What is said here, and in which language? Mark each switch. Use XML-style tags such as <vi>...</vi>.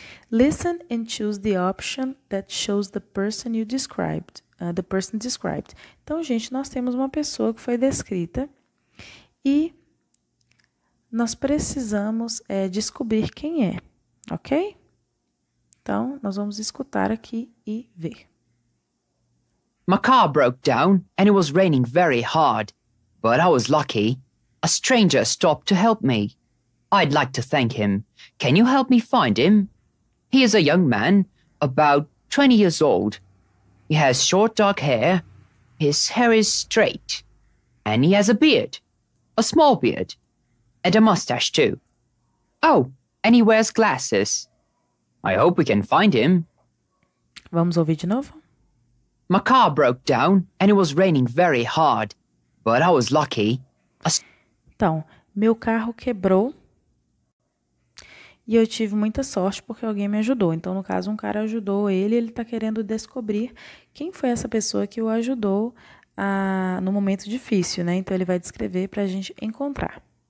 <en>Listen and choose the option that shows the person you described.</en> <pt>Então, gente, nós temos uma pessoa que foi descrita e nós precisamos descobrir quem é, ok? Então, nós vamos escutar aqui e ver.</pt> <en>My car broke down and it was raining very hard, but I was lucky. A stranger stopped to help me. I'd like to thank him. Can you help me find him? He is a young man, about 20 years old. He has short dark hair, his hair is straight, and he has a beard, a small beard, and a mustache too. Oh, and he wears glasses. I hope we can find him.</en> <pt>Vamos ouvir de novo. My car broke down, and it was raining very hard, but I was lucky. Então, meu carro quebrou, e eu tive muita sorte porque alguém me ajudou. Então, no caso, um cara ajudou ele, ele está querendo descobrir quem foi essa pessoa que o ajudou no momento difícil, né? Então, ele vai descrever para a gente encontrar.</pt>